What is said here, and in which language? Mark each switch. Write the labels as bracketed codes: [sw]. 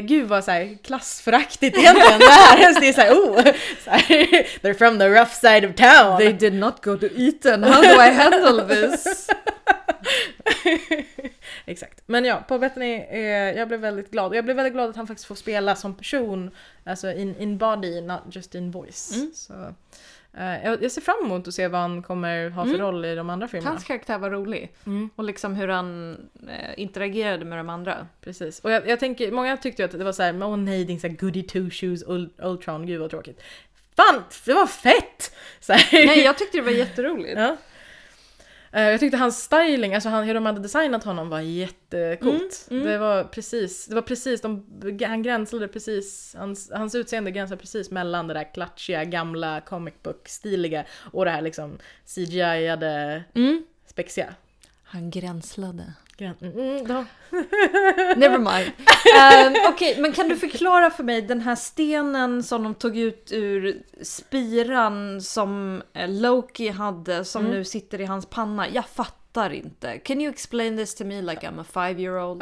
[sv] Gud vad så här klassföraktigt egentligen det här. Det är så här, oh, så här, [en] they're from the rough side of town. They did not go to Eton. How do I handle this? [sv] Exakt. Men ja, Paul Bettany, jag blev väldigt glad. Jag blev väldigt glad att han faktiskt får spela som person. [en] Alltså in body, not just in voice. [sv] Mm. Så, jag ser fram emot att se vad han kommer ha för roll i de andra filmerna. Hans karaktär var rolig. Mm. Och liksom hur han interagerade med de andra. Precis. Och jag tänker, många tyckte ju att det var så här, åh nej, din såhär [en] goody two shoes [sv] Ultron, gud vad tråkigt. Fan, det var fett! Så här. Nej, jag tyckte det var jätteroligt. Ja. Jag tyckte hans styling, alltså hur de hade designat honom var jättekult. Det var precis han gränslade precis, hans utseende gränslade precis mellan det där klatschiga gamla comic book stiliga och det här liksom CGI-ade spexiga. Han gränslade. Då. [en] Never mind. [sv] Okej, men kan du förklara för mig den här stenen som de tog ut ur spiran som Loki hade som nu sitter i hans panna? Jag fattar inte. [en] Can you explain this to me like I'm a 5-year-old?